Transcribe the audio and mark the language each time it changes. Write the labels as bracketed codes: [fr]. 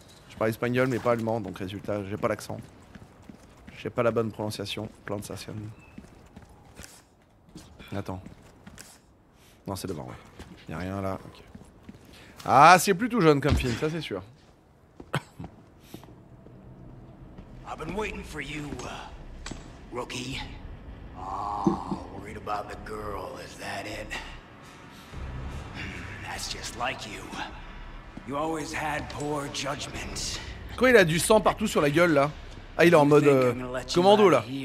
[fr] Je parle espagnol, mais pas allemand. Donc, résultat, j'ai pas l'accent. J'ai pas la bonne prononciation. Plantation. Attends. Non, c'est devant, ouais. Y'a rien là. Okay. Ah, c'est plutôt jeune comme film, ça c'est sûr. [en] I've been waiting for you, rookie. Oh, worried about the girl, is that it? That's just like you. You always had poor judgment. [fr] Quoi, il a du sang partout sur la gueule là? Ah, il est en mode commando là.